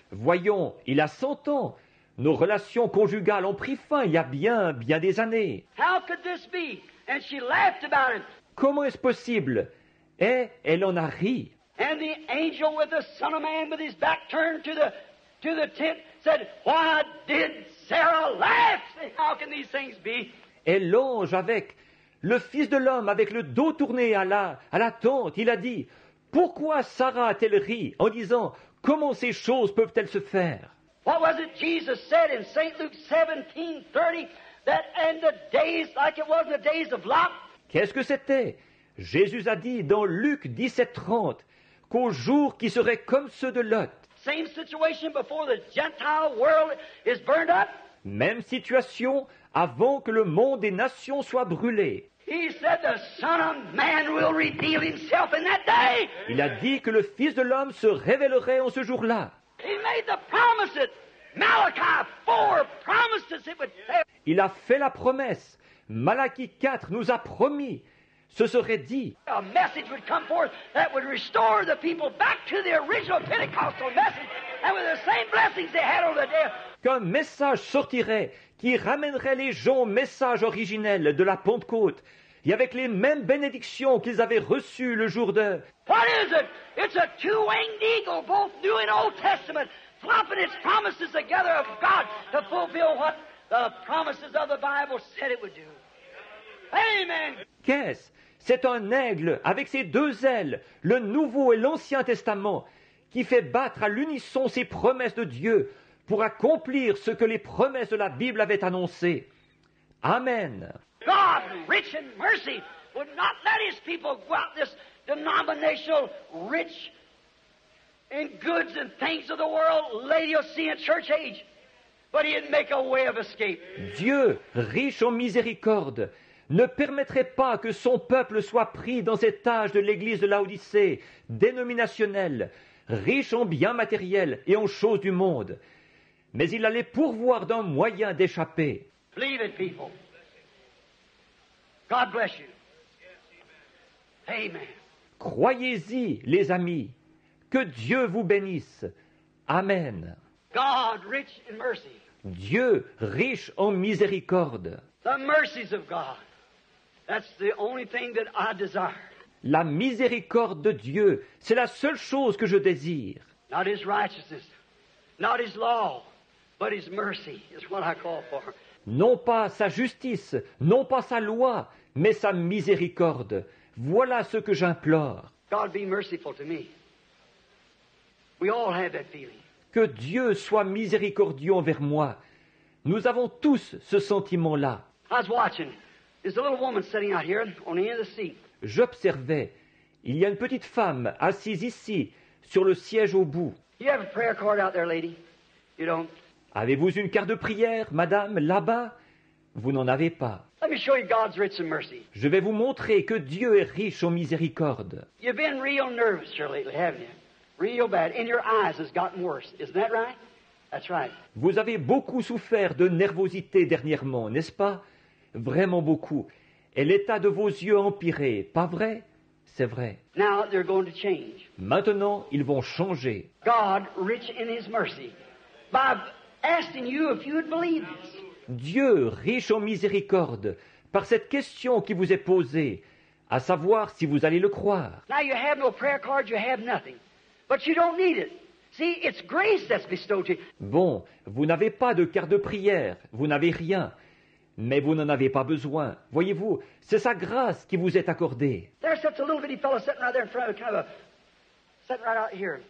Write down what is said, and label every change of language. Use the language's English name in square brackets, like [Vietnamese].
[French] Voyons, il a 100 ans. Nos relations conjugales ont pris fin il y a bien, bien des années. [English] How could this be? And she laughed about it. [French] Comment est-ce possible? Et elle en a ri. [English] And the angel with the son of man with his back turned to the tent said, why did Sarah laugh? How can these things be? [French] Et l'ange avec le fils de l'homme avec le dos tourné à la tente, il a dit, pourquoi Sarah a-t-elle ri en disant, comment ces choses peuvent-elles se faire? [English] What was it Jesus said in St. Luke 17:30 that in the days like it was in the days of Lot? [French] Qu'est-ce que c'était? Jésus a dit dans Luc 17:30 qu'au jour qui serait comme ceux de Lot. [English] Same situation before the Gentile world is burned up. [French] Même situation avant que le monde des nations soit brûlé. [English] He said the Son of Man will reveal himself in that day. [French] Il a dit que le Fils de l'homme se révélerait en ce jour-là. [English] He made the promises. Malachi 4 promised us it would happen. [French] Il a fait la promesse. Malachi 4 nous a promis. Ce serait dit. [English] A message would come forth that would restore the people back to the original Pentecostal message and with the same blessings they had on the day. [French] Qu'un message sortirait qui ramènerait les gens au message originel de la Pentecôte et avec les mêmes bénédictions qu'ils avaient reçues le jour de. [English] What is it? It's a two-winged eagle, both New and Old Testament, flopping its promises together of God to fulfill what the promises of the Bible said it would do. Amen. [French] Qu'est-ce? C'est un aigle avec ses deux ailes, le Nouveau et l'Ancien Testament, qui fait battre à l'unisson ses promesses de Dieu pour accomplir ce que les promesses de la Bible avaient annoncé. Amen. [English] God, rich in mercy, would not let his people go out this denominational rich in goods and things of the world, Laodicean church age, but he'd make a way of escape. [French] Dieu, riche en miséricorde, ne permettrait pas que son peuple soit pris dans cet âge de l'église de Laodicée, dénominationnelle, riche en biens matériels et en choses du monde. Mais il allait pourvoir d'un moyen d'échapper. [English] Believe it, people. God bless you. Amen. [French] Croyez-y, les amis. Que Dieu vous bénisse. Amen. [English] God, rich in mercy. [French] Dieu, riche en miséricorde. [English] The mercies of God. That's the only thing that I desire. [French] La miséricorde de Dieu, c'est la seule chose que je désire. [English] Not his righteousness, not his law, but his mercy is what I call for. [French] Non pas sa justice, non pas sa loi, mais sa miséricorde. Voilà ce que j'implore. [English] God be merciful to me. We all have that feeling. [French] Que Dieu soit miséricordieux envers moi. Nous avons tous ce sentiment-là. [English] I was watching. There's a little woman sitting out here on the end of the seat. [French] J'observais, il y a une petite femme assise ici sur le siège au bout. [English] You have a prayer card out there, lady. You don't. [French] Avez-vous une carte de prière, madame, là-bas? Vous n'en avez pas. [English] Let me show you God's rich in mercy. [French] Je vais vous montrer que Dieu est riche en miséricorde. [English] You've been real nervous here lately, haven't you? Real bad. And your eyes has gotten worse. Isn't that right? That's right. [French] Vous avez beaucoup souffert de nervosité dernièrement, n'est-ce pas? Vraiment beaucoup. Et l'état de vos yeux empiré, pas vrai? C'est vrai. [English] Now they're going to change. [French] Maintenant, ils vont changer. [English] God, rich in his mercy, by asking you if you would believe this. [French] Dieu, riche en miséricorde, par cette question qui vous est posée, à savoir si vous allez le croire. [English] Now you have no prayer card, you have nothing. But you don't need it. See, it's grace that's bestowed to you. [French] Bon, vous n'avez pas de carte de prière, vous n'avez rien, mais vous n'en avez pas besoin. Voyez-vous, c'est sa grâce qui vous est accordée. [English] There's such a little bitty fellow sitting right there in front of you, kind of a sitting right out here.